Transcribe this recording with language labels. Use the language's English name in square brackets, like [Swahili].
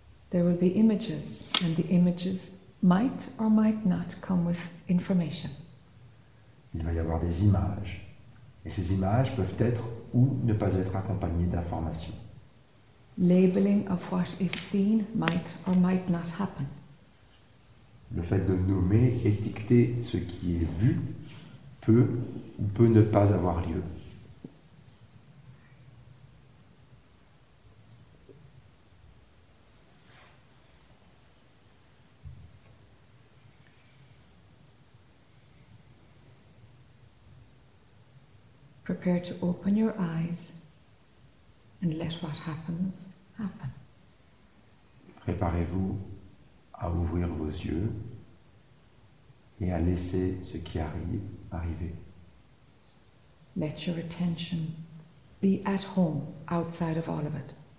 [English] there will be images, and the images might or might not come with information. [French] Il va y avoir des images, et ces images peuvent être ou ne pas être accompagnées d'informations. [English] Labeling of what is seen might or might not happen. [French] Le fait de nommer, étiqueter ce qui est vu peut ou peut ne pas avoir lieu. [English] Prepare to open your eyes and let what happens happen. [French] Préparez-vous à ouvrir vos yeux et à laisser ce qui arrive arriver. [English] Let your attention be at home outside of all of it.